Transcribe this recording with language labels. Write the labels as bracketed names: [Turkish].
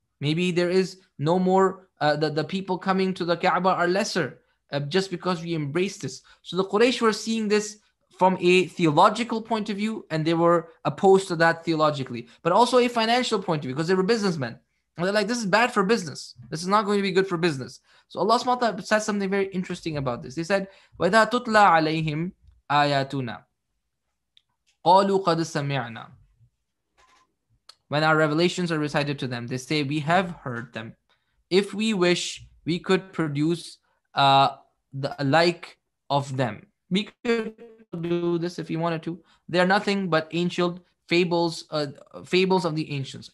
[English] Maybe there is no more, the people coming to the Kaaba are lesser just because we embrace this. So the Quraysh were seeing this from a theological point of view, and they were opposed to that theologically, but also a financial point of view, because they were businessmen. And they're like, this is bad for business. This is not going to be good for business. So Allah subhanahu wa ta'ala said something very interesting about this. They said, [Arabic] وَإِذَا تُطْلَى عَلَيْهِمْ آيَاتُنَا قَالُوا قَدْ سَمِعْنَا. [English] When our revelations are recited to them, they say, we have heard them. If we wish, we could produce the like of them. We could do this if we wanted to. They are nothing but ancient fables, fables of the ancients.